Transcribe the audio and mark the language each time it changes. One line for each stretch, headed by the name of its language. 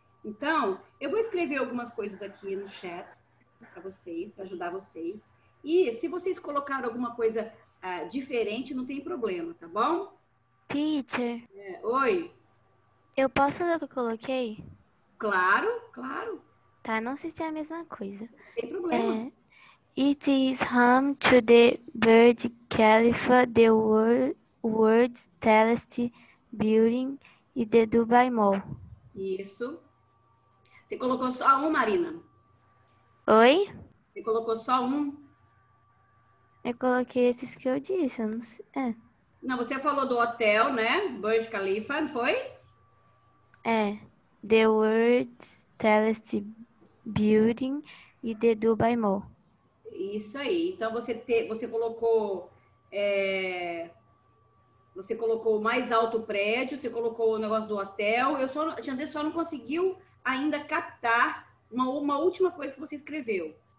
Portuguese: Então, eu vou escrever algumas coisas aqui no chat para vocês, para ajudar vocês. E se vocês colocaram alguma coisa diferente, não tem problema, tá bom? Teacher. Oi. Eu posso ler o que eu coloquei? Claro, claro. Tá, não sei se é a mesma coisa. Não tem problema.
English: It is home to the Burj Khalifa, the world's tallest building, e the Dubai Mall.
Portuguese: Isso. Você colocou só um, Marina? Oi? Você colocou só um? Eu coloquei esses que eu disse, eu não sei. É. Não, você falou do hotel, né? Burj Khalifa, não foi? É.
English: The world's tallest building e the Dubai Mall.
Portuguese: Isso aí. Então, você colocou o mais alto prédio, você colocou o negócio do hotel. A Tiandê só não conseguiu ainda captar uma última coisa que você escreveu.